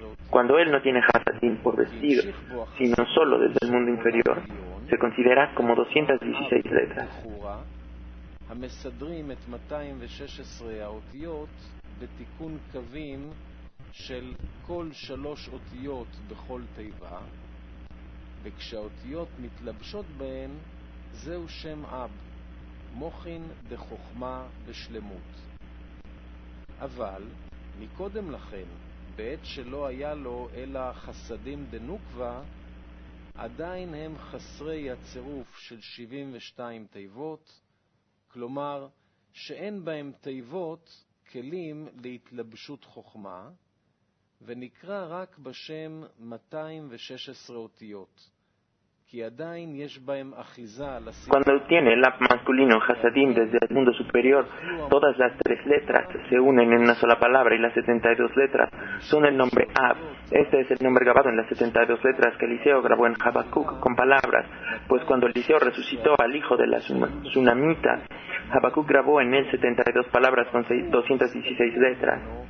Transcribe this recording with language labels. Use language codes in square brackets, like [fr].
[es] Cuando él no tiene Hasadim por vestido, sino solo desde el mundo inferior, se considera como 216 letras. [he] המסדרים את 216 האותיות בתיקון קווים של כל שלוש אותיות בכל תיבה, וכשהאותיות מתלבשות בהן, זהו שם אב, מוכין דחוכמה ושלמות. אבל, מקודם לכן, בעת שלא היה לו אלא חסדים דנוקווה, עדיין הם חסרי הצירוף של 72 תיבות, כלומר, שאין בהם תיבות כלים להתלבשות חוכמה, ונקרא רק בשם 216 אותיות, כי עדיין יש בהם אחיזה לסיבה. [es] Cuando tiene el lab masculino, Hasadim, desde el mundo superior, todas las tres letras se unen en una sola palabra y las 72 letras son el nombre Ab. Este es el nombre grabado en las 72 letras que Eliseo grabó en Habacuc con palabras, pues cuando Eliseo resucitó al hijo de la Tsunamita, Habacuc grabó en él 72 palabras con 216 letras.